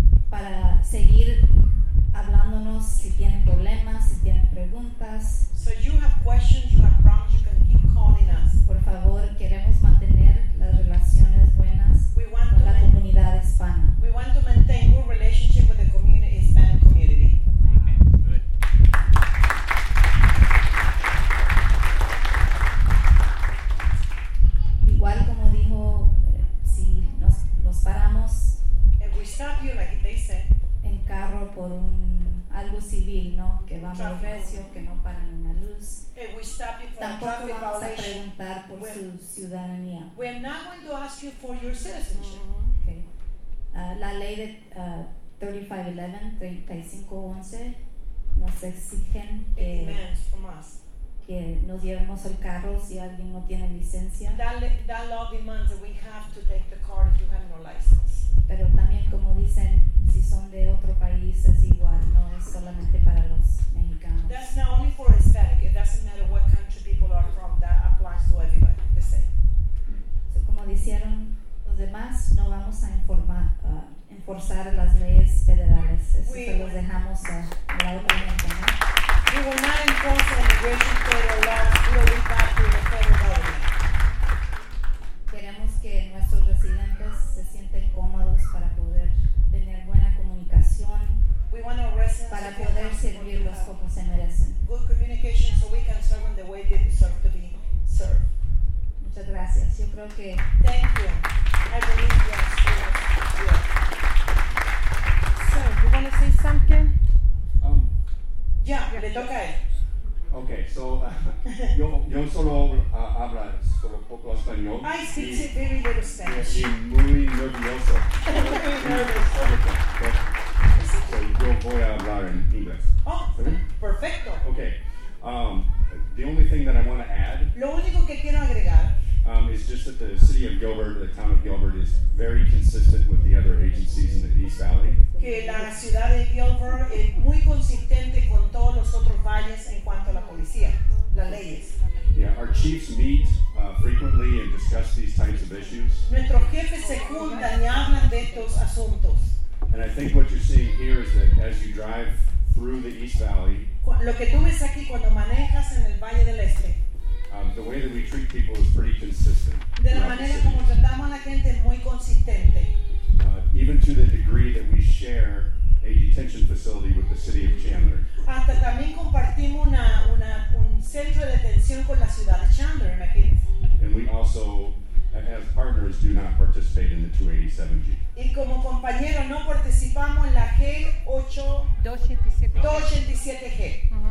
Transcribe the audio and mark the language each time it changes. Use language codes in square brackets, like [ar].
[es] Para seguir hablándonos si tienen problemas, si tienen preguntas. [en] So you have questions, you have problems, you can keep calling us. [es] Por favor, queremos mantener las relaciones buenas con la comunidad hispana. [en] We want to maintain good relationship with the community, Hispanic community. Amen. Good. [es] Igual como dijo, si nos paramos, [en] we stop you like they said. [es] En carro por un, a algo civil, ¿no? Que va muy recio, que no paran una luz. [en] Hey, we stop you for [es] tampoco a vamos a preguntar por su ciudadanía. [en] We're not going to ask you for your citizenship. Okay. [es] La ley de 3511 nos exigen que, que nos llevemos el carro si alguien no tiene licencia. [en] That law demands that we have to take the car if you have no license. [es] Pero también, como dicen, si son de otro país es igual, no es solamente para los mexicanos. [en] That's not only for Hispanic. It doesn't matter what country people are from. That applies to everybody the same. [es] So, como dijeron los demás, no vamos a informar, enforzar las leyes federales. Eso se los dejamos a la otra gente, ¿no? [en] We will not enforce the immigration federal laws. We will leave that to the federal government. [es] Queremos que nuestros residentes se sienten cómodos para poder tener buena comunicación, para poder servirlos como se merecen. [en] Good communication so we can serve them the way they deserve to be served. [es] Muchas gracias. Yo creo que... [en] Thank you. I believe yes. Yes. So, you want to say something? Yeah, [es] le toca él. Okay, so yo solo hablo solo poco español. [en] I speak a very little Spanish. [es] Y muy nervioso. Nervioso. Yo voy a hablar en inglés. Oh, perfecto. [en] Okay, the only thing that I want to add. [es] Lo único que quiero agregar. [en] Is just that the city of Gilbert, the town of Gilbert, is very consistent with the other agencies in the East Valley. [es] Que la ciudad de Gilbert es muy consistente con todos los otros valles en cuanto a la policía, las leyes. [en] Yeah, our chiefs meet frequently and discuss these types of issues. [es] Nuestros jefes se juntan y hablan de estos asuntos. [en] And I think what you're seeing here is that as you drive through the East Valley, [es] lo que tú ves aquí cuando manejas en el Valle del Este, [en] The way that we treat people is pretty consistent. [es] De la manera como tratamos a la gente es muy consistente. [en] Even to the degree that we share a detention facility with the city of Chandler. [es] Hasta también compartimos un centro de detención con la ciudad de Chandler, imagínense. [en] And we also, as partners, do not participate in the 287G. [es] Y como compañeros no participamos en la G287G.